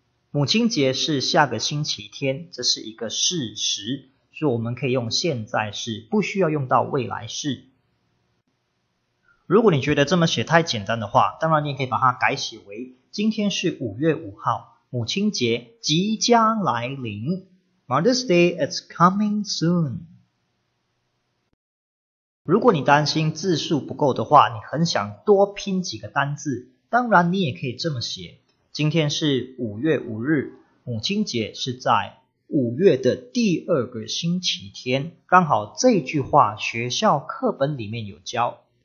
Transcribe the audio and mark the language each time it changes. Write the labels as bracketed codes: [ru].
[zh] 母亲节是下个星期天，这是一个事实，所以我们可以用现在式，不需要用到未来式。如果你觉得这么写太简单的话，当然你也可以把它改写为今天是5月5号，母亲节即将来临。 [en] Mother's Day is coming soon. [zh] 如果你担心字数不够的话，你很想多拼几个单字，当然你也可以这么写。今天是5月5日，母亲节是在5月的第二个星期天，刚好这句话学校课本里面有教。